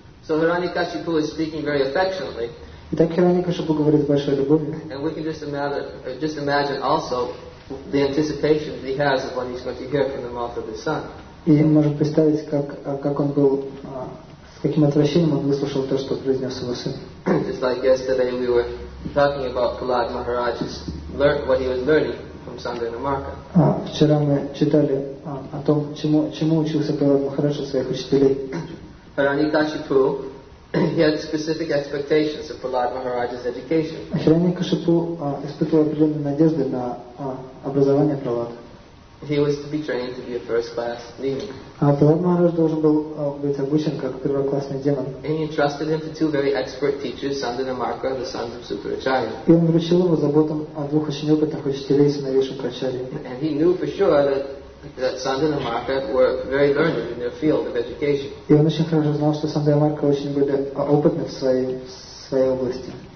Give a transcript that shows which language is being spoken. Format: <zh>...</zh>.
<en>So Hiranyakashipu is speaking very affectionately.</en> <ru>Итак, Hiranyakashipu говорит с большой любовью.</ru> <en>And we can just imagine also the anticipation that he has of what he's going to hear from the mouth of his son.</en> <ru>И может представить, как он был, с каким отвращением он выслушал то, что произнес его сын.</ru> <en>Just like yesterday we were talking about Prahlad Maharaj's what he was learning from Sandra Namarka.</en> <ru>Вчера мы читали о том, чему учился Прохлад Махарадж у своих учителей.</ru> <en>Hiranyakashipu, he had specific expectations of Prahlad Maharaj's education.</en> <ru>Hiranyakashipu испытывал определенные надежды на образование Прохлада.</ru> <en>He was to be trained to be a first-class demon.</en> <ru>Прохлад Махарадж должен был быть обучен как первоклассный демон.</ru> <en>And he entrusted him to two very expert teachers, Sandinamarka and the sons of Sukracharya.</en> <ru>И он вручил его заботам о двух очень опытных учителей, сыновей Шукрачарьи.</ru> <en>And he knew for sure that Sandinamarka were very learned in their field of education.</en> <ru>И он очень хорошо знал, что Сандинамарка очень были опытны в своей области.</ru>